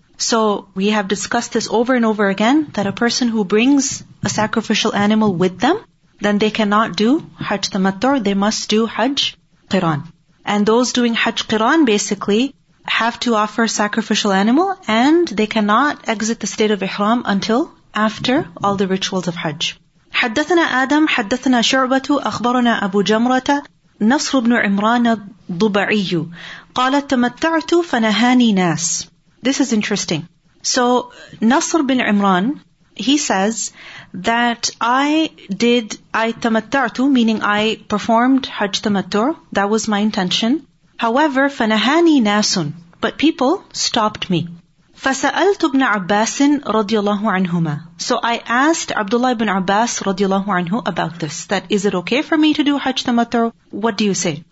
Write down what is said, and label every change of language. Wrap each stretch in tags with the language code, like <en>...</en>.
<en>So we have discussed this over and over again, that a person who brings a sacrificial animal with them, then they cannot do Hajj Tamattu', they must do Hajj Qiran. And those doing Hajj Qiran basically have to offer a sacrificial animal, and they cannot exit the state of Ihram until after all the rituals of Hajj.</en> <ar>حدثنا آدم حدثنا شعبة أخبرنا أبو جمرة نصر بن عمران الضبعي قال تمتعت فنهاني ناس.</ar> <en>This is interesting. So Nasr bin Imran, he says that I tamattu, meaning I performed Hajj tamattu, that was my intention. However, fanahani nasun, but people stopped me. Fasa'altu ibn Abbas radiyallahu anhuma. So I asked Abdullah ibn Abbas radiyallahu anhu about this, that is it okay for me to do Hajj tamattu? What do you say?</en>